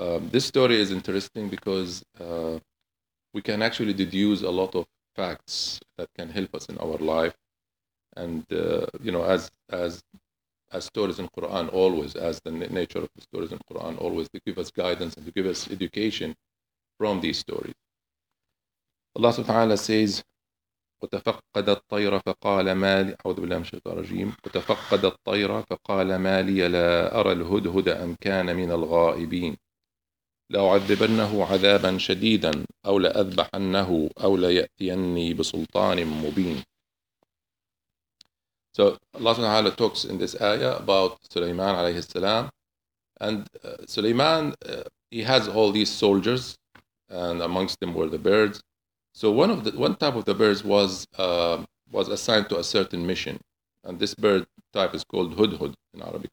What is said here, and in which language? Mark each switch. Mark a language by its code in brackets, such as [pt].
[en] This story is interesting because we can actually deduce a lot of facts that can help us in our life. And, you know, as stories in Quran always, as the nature of the stories in Quran always, they give us guidance and they give us education from these stories. Allah subhanahu wa ta'ala says, [ar] وتفقد الطير فقال ما لي أعوذ بالله من الشيطان الرجيم وتفقد الطير فقال ما لي لا أرى الهدهد أم كان من الغائبين لأعذبنه عذابا شديدا أو لأذبحنه أو ليأتيني بسلطان مبين. [en] So Allah subhanahu wa ta'ala talks in this ayah about Sulaiman alayhi salam, and Sulaiman he has all these soldiers, and amongst them were the birds. So one type of the birds was assigned to a certain mission, and this bird type is called hudhud in Arabic.